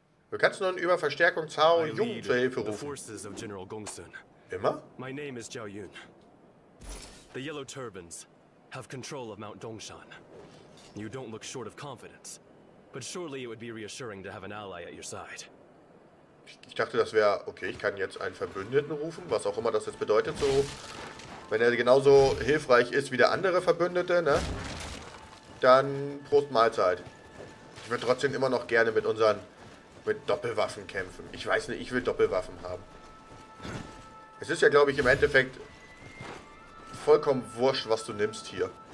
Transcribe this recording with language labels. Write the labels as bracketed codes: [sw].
[de] Du kannst nun über Verstärkung Zhao Yun zur Hilfe rufen. Immer? Mein Name ist Zhao Yun. [en] The Yellow Turbans have control of Mount Dongshan. You don't look short of confidence, but surely it would be reassuring to have an ally at your side. [de] Ich dachte, das wäre okay. Ich kann jetzt einen Verbündeten rufen, was auch immer das jetzt bedeutet. So, wenn er genauso hilfreich ist wie der andere Verbündete, ne? Dann Prost Mahlzeit. Ich würde trotzdem immer noch gerne mit unseren mit Doppelwaffen kämpfen. Ich weiß nicht, ich will Doppelwaffen haben. Es ist ja, glaube ich, im Endeffekt vollkommen wurscht, was du nimmst hier.